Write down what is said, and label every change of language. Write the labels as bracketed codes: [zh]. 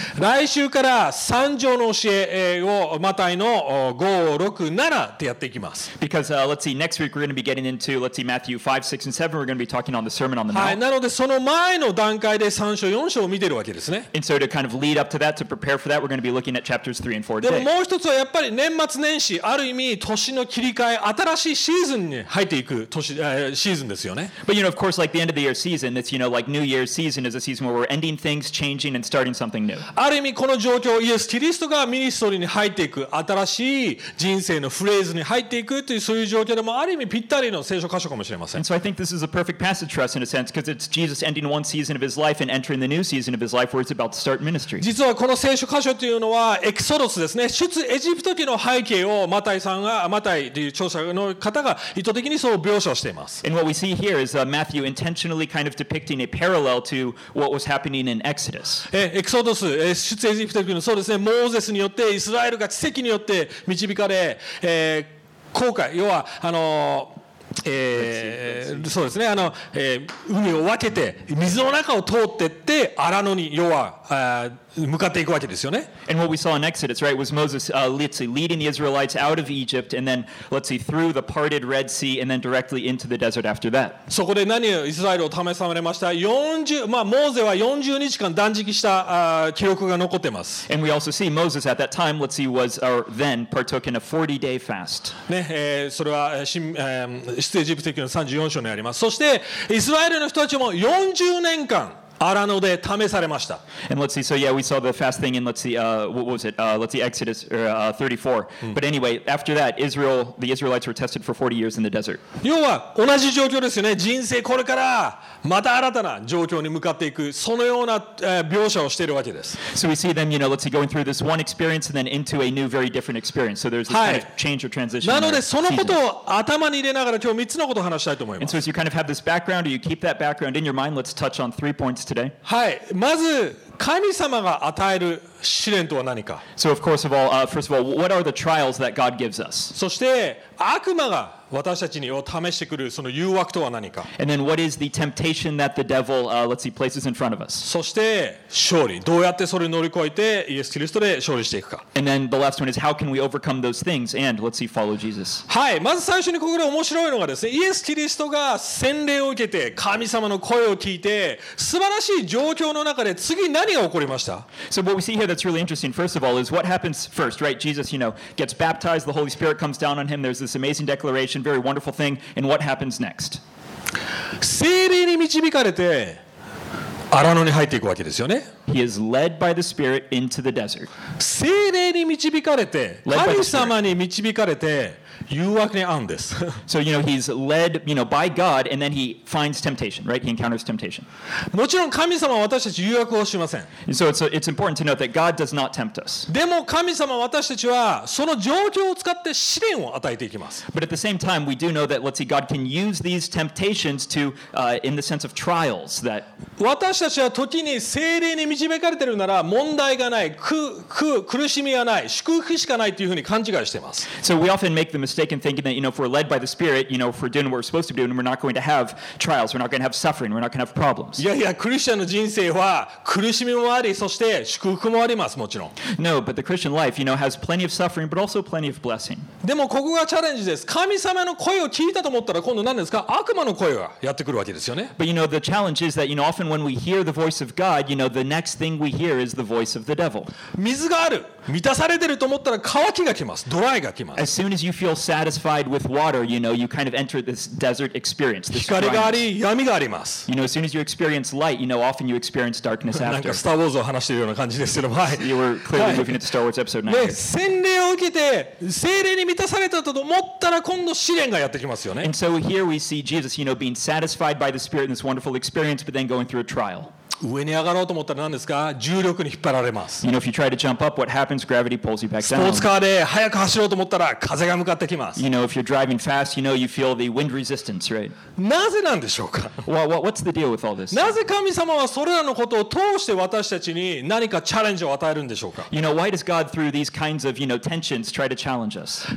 [ja] 来週から三条の教えをマタイの5-6-7でやっていきます。 [en] Because, let's see, next week we're going to be getting into, let's see, Matthew 5-6-7. We're going to be talking on the Sermon on the Mount. [ja] はい、なのでその前の段階で三章四章を見てるわけですね。 [en] And so to kind of lead up to that, to prepare for that, we're going to be looking at chapters 3 and 4 today. [ja] でももう一つはやっぱり年末年始、ある意味年の切り替え、新しいシーズンに入っていく年、シーズンですよね。 [en] But, you know, of course, like the end of the year season, that's, you know, like New Year's season is a season where we're ending things, changing, and starting something new. [ja] ある意味この状況、イエス・キリストがミニストリーに入っていく、新しい人生のフレーズに入っていくという、そういう状況でも、ある意味ぴったりの聖書箇所かもしれません。 [en] And so I think this is a perfect passage for us in a sense, because it's Jesus ending one season of his life and entering the new season of his life where it's about to start ministry. [ja] 実はこの聖書箇所というのは、エクソドスですね。出エジプト記の背景をマタイさんが、マタイという調査の方が意図的にそう描写しています。 [en] And what we see here is Matthew intentionintentionally kind of depicting a parallel to what was happening in Exodus. [ja] Exodus, 出エジプト記の、そうですね、モーゼスによって、イスラエルが奇跡によって導かれ、後悔、要は、そうですね、海を分けて、水の中を通ってって、荒野に、要は、向かっていくわけですよね。 [en] And what we saw in Exodus, right, was Moses, let's see, leading the Israelites out of Egypt, and then, let's see, through the parted Red Sea, and then directly into the desert after that. [ja] そこで何をイスラエルを試されました。モーゼは40日間断食した記録が残ってます。 [en] And we also see Moses at that time, let's see, was or then partook in a 40-day fast. [ja] ね、それは出エジプト記の34章にあります。そしてイスラエルの人たちも40年間。荒野で試されました。 [en] And let's see, so yeah, we saw the fast thing in, let's see, what was it? Let's see, Exodus 34. But anyway, after that, Israel, the Israelites were tested for 40 years in the desert. [ja] 要は同じ状況ですよね。人生これからまた新たな状況に向かっていく、そのような描写をしているわけです。 [en] So we see them, you know, let's see, going through this one experience and then into a new, very different experience. So there's this kind of change or transition. [ja] なのでそのことを頭に入れながら今日3つのことを話したいと思います。 [en] And so as you kind of have this background or you keep that background in your mind, let's touch on three points. today? [ja] はい、まず神様が与える試練とは何か? [en] So of course of all, first of all, what are the trials that God gives us? [ja] そして悪魔が私たちを試してくるその誘惑とは何か? [en] And then what is the temptation that the devil, let's see, places in front of us? [ja] そして勝利。どうやってそれを乗り越えてイエス・キリストで勝利していくか? [en] And then the last one is how can we overcome those things and let's see, follow Jesus? [ja] はい、まず最初にここで面白いのがですね、イエス・キリストが洗礼を受けて神様の声を聞いて素晴らしい状況の中で次何が起こりました? [en] So what we see here that's really interesting, first of all, is what happens first, right? Jesus, you know, gets baptized, the Holy Spirit comes down on him, there's this amazing declaration. Very wonderful thing. And what happens next? [ja] 聖霊に導かれて荒野に入っていくわけですよね。 [en] He is led by the Spirit into the desert. [ja] 聖霊に導かれて、神様に導かれて誘惑に遭うんです。 [en] So you know he's led, you know, by God, and then he finds temptation, right? He encounters temptation. [ja] もちろん神様は私たち誘惑をしません。 [en] And so it's important to note that God does not tempt us. [ja] でも神様は私たちはその状況を使って試練を与えていきます。 [en] But at the same time, we do know that let's see, God can use these temptations to, in the sense of trials that [ja] 私たちは時に聖霊に導かれているなら問題がない、苦しみがない、祝福しかないというふうに勘違いしています。 [en] So we often make the mistake in thinking that, you know, if we're led by the Spirit, you know, if we're doing what we're supposed to be doing, we're not going to have trials, we're not going to have suffering, we're not going to have problems. [ja] いやいや、クリスチャンの人生は苦しみもあり、そして祝福もあります、もちろん。 [en] No, but the Christian life, you know, has plenty of suffering, but also plenty of blessing. [ja] でもここがチャレンジです。神様の声を聞いたと思ったら、今度何ですか? 悪魔の声がやってくるわけですよね。 [en] But you know, the challenge is that, you know, often when we hear the voice of God, you know, the next thing we hear is the voice of the devil. [ja] 水がある。満たされてると思ったら乾きが来ます。ドライが来ます。 [en] As soon as you feel satisfied with water, you know, you kind of enter this desert experience. This [ja] 光があり、闇があります。 [en] You know, as soon as you experience light, you know, often you experience darkness after. [ja] なんかスターウォーズを話しているような感じですけども、はい。 [en] You were clearly moving into Star Wars episode 9. [ja] ね、洗礼を受けて、聖霊に満たされたと思ったら今度試練がやってきますよね。 [en] And so here we see Jesus, you know, being satisfied by the Spirit in this wonderful experience, but then going through a trial. [ja] 上に上がろうと思ったら何ですか?重力に引っ張られます。 [en] You know, if you try to jump up, what happens? Gravity pulls you back down. [ja] スポーツカーで速く走ろうと思ったら風が向かってきます。 [en] You know, if you're driving fast, you know, you feel the wind resistance, right? [ja] なぜなんでしょうか? [en] Well, what's the deal with all this? [ja] なぜ神様はそれらのことを通して私たちに何かチャレンジを与えるんでしょうか? [en] You know, why does God through these kinds of, you know, tensions try to challenge us?